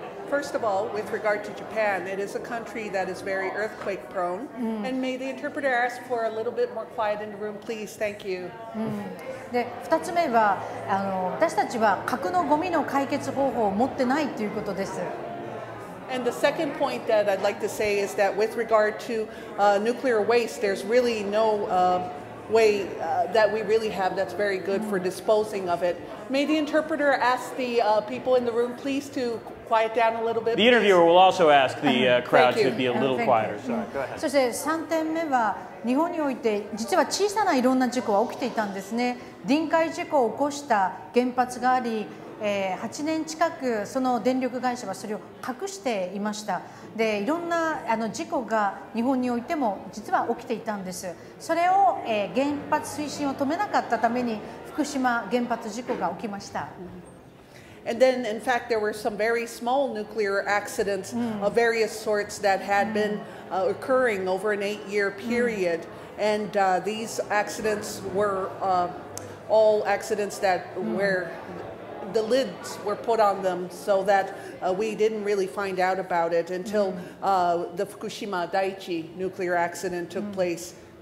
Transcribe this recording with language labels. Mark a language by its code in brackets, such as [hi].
[en] First of all, with regard to Japan, it is a country that is very earthquake prone. And may the interpreter ask for a little bit more quiet in the room, please. Thank you. [ja] で、2つ目は、あの、私たちは核のゴミの解決方法を持ってないということです。 [en] And the second point that I'd like to say is that with regard to nuclear waste, there's really no way that we really have that's very good for disposing of it. May the interpreter ask the people in the room, please, to quiet down a little bit. The interviewer will also ask the crowd to be a little quieter. Sorry. Go ahead. [ja] そして三点目は日本において実は小さないろんな事故は起きていたんですね。臨界事故を起こした原発があり、8年近くその電力会社はそれを隠していました。で、いろんなあの事故が日本においても実は起きていたんです。それを、原発推進を止めなかったために福島原発事故が起きました。 [en] And then, in fact, there were some very small nuclear accidents of various sorts that had been occurring over an eight-year period. And these accidents were all accidents that were the lids were put on them so that we didn't really find out about it until the Fukushima Daiichi nuclear accident took place.